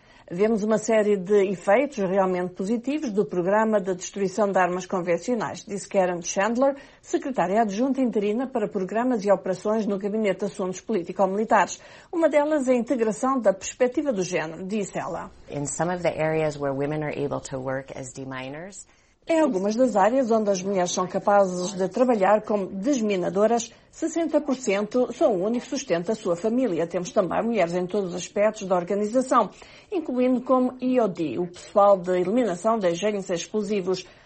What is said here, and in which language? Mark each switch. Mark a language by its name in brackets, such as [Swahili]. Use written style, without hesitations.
[Portuguese] Vemos uma série de efeitos realmente positivos do programa de destruição de armas convencionais, disse Karen Chandler, secretária adjunta interina para programas e operações no Gabinete de Assuntos Político-Militares. Uma delas é a integração da perspectiva do género, disse ela. [English] In some of the areas where women are able to work as deminers, [Portuguese] em algumas das áreas onde as mulheres são capazes de trabalhar como desminadoras, 60% são o único sustento da sua família. Temos também mulheres em todos os aspectos da organização, incluindo como IOD, o pessoal de eliminação de engenhos explosivos.